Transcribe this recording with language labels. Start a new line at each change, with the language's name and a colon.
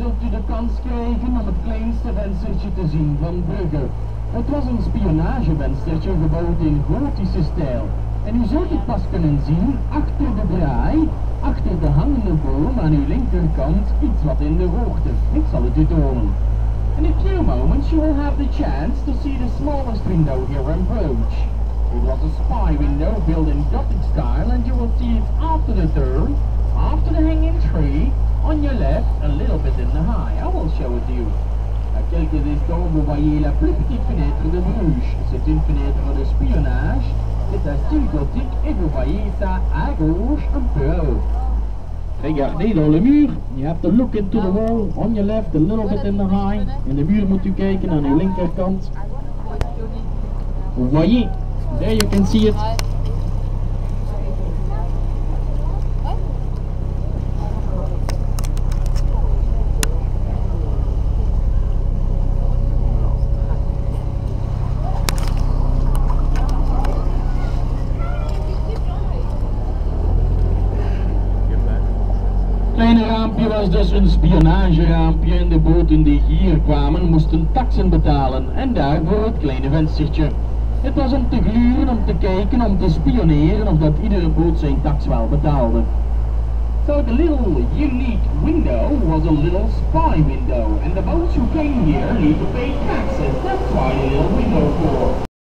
Dutch: De kans krijgen om het kleinste venstertje te zien van Brugge. Het was een spionagevenstertje gebouwd in gotische stijl. En u zult het pas kunnen zien achter de draai, achter de hangende boom aan uw linkerkant, iets wat in de hoogte. Ik zal het u tonen.
English: In a few moments you will have the chance to see the smallest window here in Bruges. It was a spy window built in Gothic style and you will see it after the turn, after the hanging tree, on your left, a little bit in the high. I will show it to you.
French: À quelques instants, vous voyez la plus petite fenêtre de Bruges. C'est une fenêtre de spionage. C'est un style gothique et vous voyez ça à gauche un peu haut. Regardez dans le mur.
English: You have to look into the wall. On your left, a little bit in the high.
Dutch: In the mur moet u kijken aan uw linkerkant.
French: Vous voyez?
English: There you can see it.
Dutch: Het was dus een spionageraampje en de boten die hier kwamen moesten taksen betalen en daarvoor het kleine venstertje. Het was om te gluren, om te kijken, om te spioneren of dat iedere boot zijn tax wel betaalde.
English: So the little unique window was a little spy window and the boats who came here need to pay taxes. That's why the little window for.